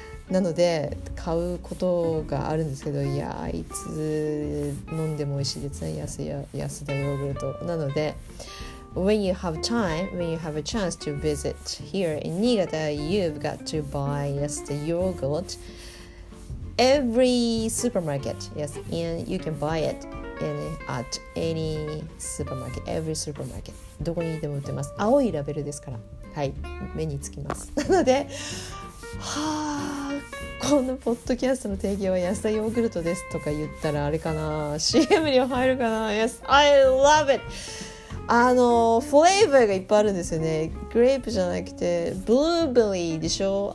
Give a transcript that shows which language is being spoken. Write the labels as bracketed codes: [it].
[ja] なので買うことがあるんですけど、いやいつ飲んでも美味しいですね、安田ヨーグルト。なので [en] When you have time, when you have a chance to visit here in Niigata, you've got to buy 安田ヨーグルト every supermarket. Yes, and you can buy itAt any supermarket, every supermarket. [ja] どこにでも売ってます。青いラベルですから、はい、目につきます。なので、はあ、このポッドキャストの定義は安田ヨーグルトですとか言ったらあれかな、CM に入るかな。 [en] Yes, I love it. [ja] あのフレーバーがいっぱいあるんですよね。グレープじゃなくてブルーベリーでしょ。